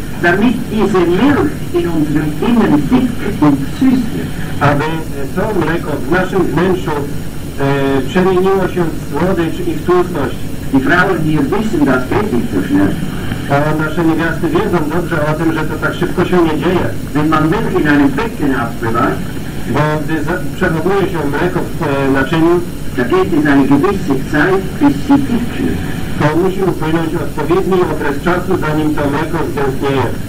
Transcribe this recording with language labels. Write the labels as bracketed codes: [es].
[de] damit diese Milch in unserem Innern dick und süß wird. [pl] Aby to mleko w naszym wnętrzu przemieniło się w słodycz i w tłustość. [de] Die Frauen hier wissen das wirklich so schnell. [pl] A nasze niewiasty wiedzą dobrze o tym, że to tak szybko się nie dzieje. [de] Wenn man Milch in einem Becken abfüllt, [pl] bo gdy przechowuje się mleko w naczyniu, [de] da geht es eine gewisse Zeit, bis sie dick wird. [pl] To musi upłynąć odpowiedni okres czasu, zanim to mleko zdęknieje.